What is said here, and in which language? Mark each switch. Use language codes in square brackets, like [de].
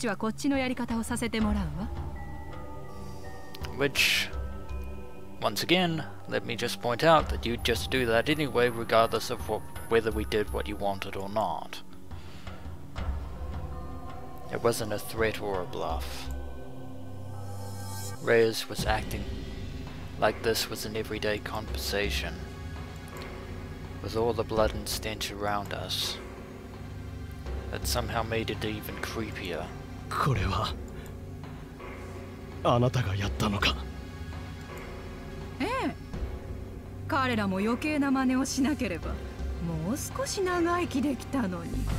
[ja] そっちが渡す気がないなら、こっちはこっちのやり方をさせてもらうわ。 [en] Which, once again, let me just point out that you'd just do that anyway, regardless of whether we did what you wanted or not. It wasn't a threat or a bluff. Reyes was acting like this was an everyday conversation, with all the blood and stench around us. That somehow made it even creepier. [ja] これは、あなたがやったのか? ええ。彼らも余計な真似をしなければ、もう少し長生きできたのに。